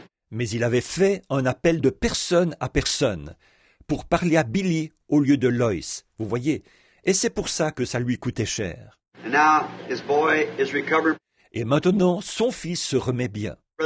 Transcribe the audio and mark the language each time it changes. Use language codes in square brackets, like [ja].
[fr] Mais il avait fait un appel de personne à personne pour parler à Billy au lieu de Lois, vous voyez. Et c'est pour ça que ça lui coûtait cher. [en] And now his boy is recovered. [fr] Et maintenant, son fils se remet bien.